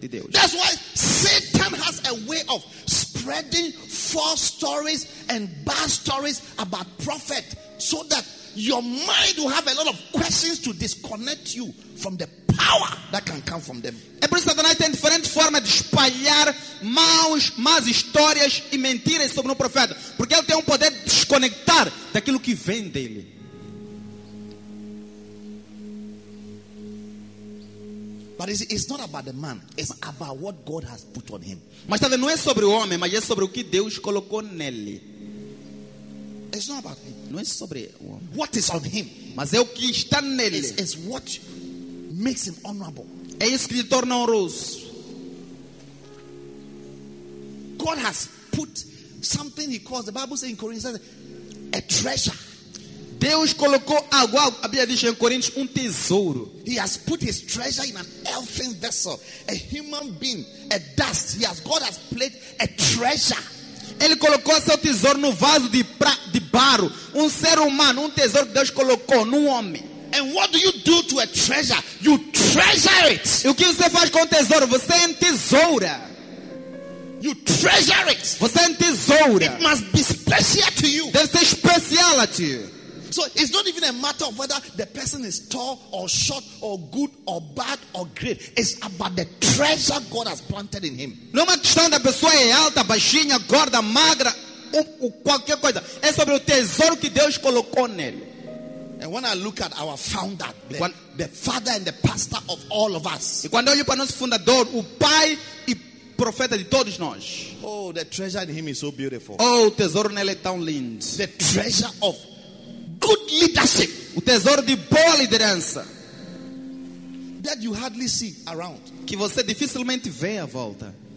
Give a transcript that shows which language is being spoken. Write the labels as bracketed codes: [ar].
[en] That's why Satan has a way of spreading false stories and bad stories about prophet so that your mind will have a lot of questions to disconnect you from the power that can come from them. [pt] É por isso que Satanás tem diferentes formas de espalhar más histórias e mentiras sobre o profeta, porque ele tem poder de desconectar daquilo que vem dele. [en] But it's not about the man. It's about what God has put on him. [pt] Mas também não é sobre o homem, mas é sobre o que Deus colocou nele. [en] It's not about him. [pt] Não é sobre o homem. [en] What is on him? [pt] Mas é o que está nele. [en] It's what makes him honorable. [pt] É isso que lhe torna honroso. [en] God has put something he calls, the Bible says in Corinthians, a treasure. [pt] Deus colocou algo, a Bíblia diz em Coríntios, tesouro. [en] He has put his treasure in an earthen vessel, a human being, a dust. God has placed a treasure. [pt] Ele colocou seu tesouro no vaso de barro, ser humano, tesouro que Deus colocou no homem. [en] And what do you do to a treasure? You treasure it. [pt] E o que você faz com o tesouro? Você tesoura. [en] You treasure it. [pt] Você tesoura. [en] It must be special to you. [pt] Deve ser especial a ti. [en] So it's not even a matter of whether the person is tall or short or good or bad or great. It's about the treasure God has planted in him. [pt] Não é uma questão da pessoa é alta, baixinha, gorda, magra, ou qualquer coisa. É sobre o tesouro que Deus colocou nele. [en] And when I look at our founder, the father and the pastor of all of us. [pt] E quando eu olho para nosso fundador, o pai e profeta de todos nós. [en] Oh, the treasure in him is so beautiful. [pt] Oh, o tesouro nele é tão lindo. [en] The treasure of good leadership. [pt] O tesouro de boa liderança. [en] That you hardly see around. [pt] Que você dificilmente vê à volta.